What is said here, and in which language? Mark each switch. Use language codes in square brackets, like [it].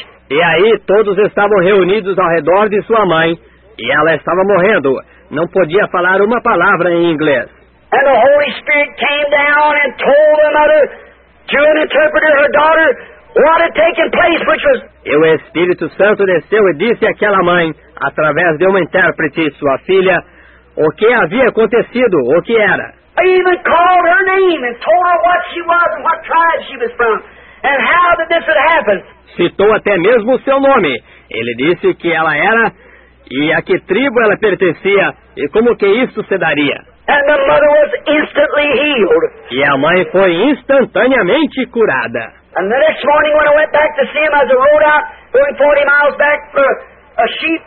[pt] E aí todos estavam reunidos ao redor de sua mãe. E ela estava morrendo. Não podia falar uma palavra em inglês. [en] And the Holy Spirit came down and told the mother, through an interpreter, her daughter, what had taken place, which was... [pt] E o Espírito Santo desceu e disse àquela mãe, através de uma intérprete, sua filha, o que havia acontecido, o que era. [en] I even called her name and told her what she was and what tribe she was from and how that this had happened. [pt] Citou até mesmo o seu nome. Ele disse que ela era e a que tribo ela pertencia e como que isso se daria. [en] And the mother was instantly healed. [pt] E a mãe foi instantaneamente curada. [en] And the next morning when I went back to see him as I rode out going 40 miles back for a sheep.